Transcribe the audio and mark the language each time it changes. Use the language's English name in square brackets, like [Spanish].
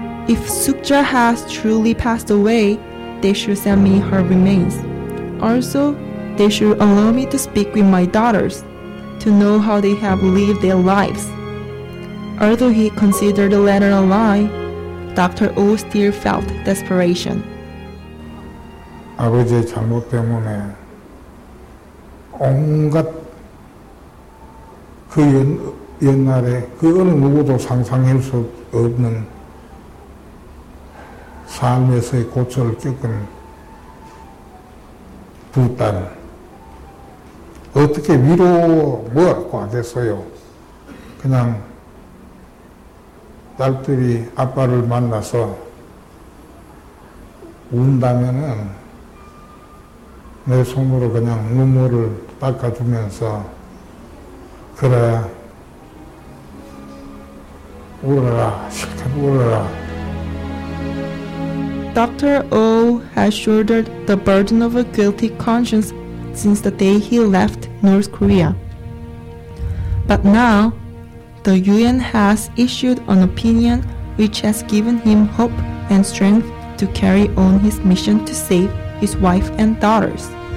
[English] If Suk-ja has truly passed away, they should send me her remains. Also, they should allow me to speak with my daughters, to know how they have lived their lives. Although he considered the letter a lie, Dr. Oh still felt desperation. [Korean] 아버지의 잘못 때문에 온갖 그 옛날에 그 어느 누구도 상상할 수 없는 삶에서의 고초를 겪은 두 딸 어떻게 위로 뭐라고 하겠어요? 그냥 딸들이 아빠를 만나서 운다면은 내 손으로 그냥 눈물을 닦아주면서 그래 울어라 싫게 울어라. [English] Dr. Oh has shouldered the burden of a guilty conscience since the day he left North Korea. But now, the UN has issued an opinion which has given him hope and strength to carry on his mission to save his wife and daughters.